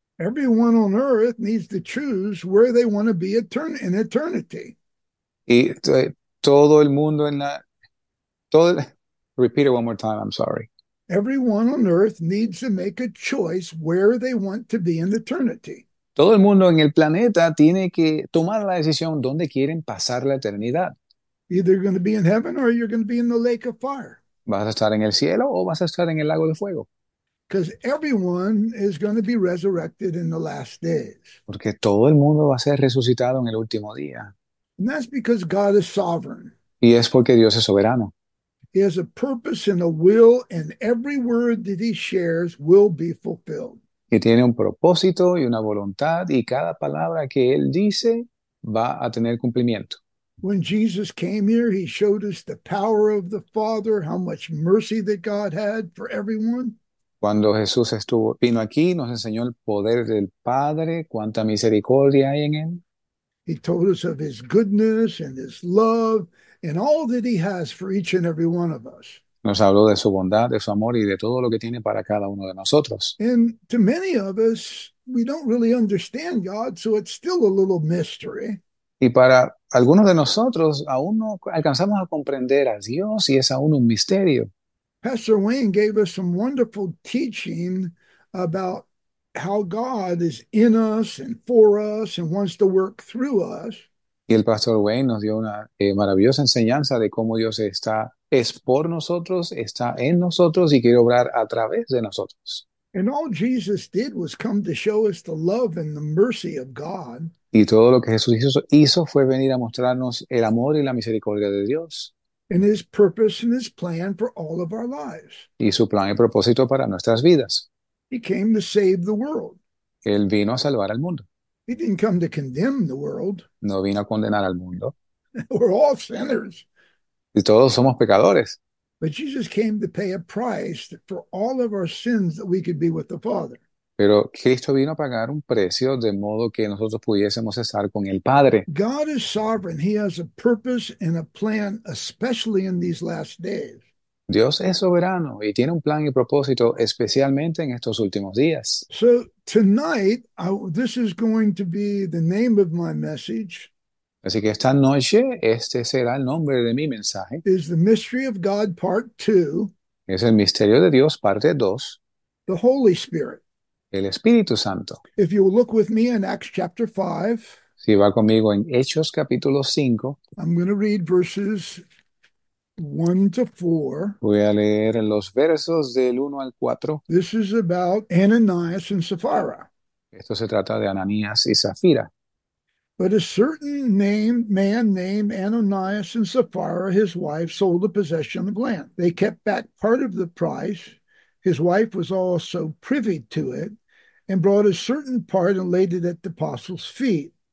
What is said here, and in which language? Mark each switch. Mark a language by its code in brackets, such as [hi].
[en] Everyone on earth needs to choose where they want to be etern in eternity. [es] Y todo el mundo en la... [en] Todo, repeat it one more time, I'm sorry. Everyone on earth needs to make a choice where they want to be in eternity. [es] Todo el mundo en el planeta tiene que tomar la decisión dónde quieren pasar la eternidad. [en] Either you're going to be in heaven or you're going to be in the lake of fire. [es] ¿Vas a estar en el cielo o vas a estar en el lago de fuego? [en] Because everyone is going to be resurrected in the last days. [es] Porque todo el mundo va a ser resucitado en el último día. [en] And that's because God is sovereign. [es] Y es porque Dios es soberano. [en] He has a purpose and a will, and every word that he shares will be fulfilled. [es] Que tiene un propósito y una voluntad, y cada palabra que él dice va a tener cumplimiento. [en] When Jesus came here, he showed us the power of the Father, how much mercy that God had for everyone. [es] Cuando Jesús estuvo, vino aquí, nos enseñó el poder del Padre, cuánta misericordia hay en él. [en] He told us of his goodness and his love and all that he has for each and every one of us. [es] Nos habló de su bondad, de su amor y de todo lo que tiene para cada uno de nosotros. [en] And to many of us, we don't really understand God, so it's still a little mystery. [es] Y para algunos de nosotros aún no alcanzamos a comprender a Dios y es aún un misterio. [en] Pastor Wayne gave us some wonderful teaching about how God is in us and for us and wants to work through us. [es] Y el pastor Wayne nos dio una maravillosa enseñanza de cómo Dios está, es por nosotros, está en nosotros y quiere obrar a través de nosotros. [en] And all Jesus did was come to show us the love and the mercy of God. [es] Y todo lo que Jesús hizo fue venir a mostrarnos el amor y la misericordia de Dios. [en] And his purpose and his plan for all of our lives. [es] Y su plan y propósito para nuestras vidas. [en] He came to save the world. [es] Él vino a salvar al mundo. [en] He didn't come to condemn the world. [es] No vino a condenar al mundo. [en] We're all sinners. [es] Y todos somos pecadores. [en] But Jesus came to pay a price for all of our sins that we could be with the Father. [es] Pero Cristo vino a pagar un precio de modo que nosotros pudiésemos estar con el Padre. [en] God is sovereign. He has a purpose and a plan, especially in these last days. [es] Dios es soberano y tiene un plan y propósito especialmente en estos últimos días. [en] So tonight, this is going to be the name of my message. [es] Así que esta noche, este será el nombre de mi mensaje. [en] Is the mystery of God part two? [es] Es el misterio de Dios, parte 2. [en] The Holy Spirit. [es] El Espíritu Santo. [en] If you look with me in Acts chapter 5, [es] Si va conmigo en Hechos capítulo 5, [en] I'm going to read verses 1 to 4. [es] Voy a leer los versos del 1 al 4. [en] This is about Ananias and Sapphira. [es] Esto se trata de Ananías y Zafira. [en] But a certain man named Ananias and Sapphira, his wife, sold a possession of land. They kept back part of the price. His wife was also privy to it and brought a certain part and laid it at the apostles' feet.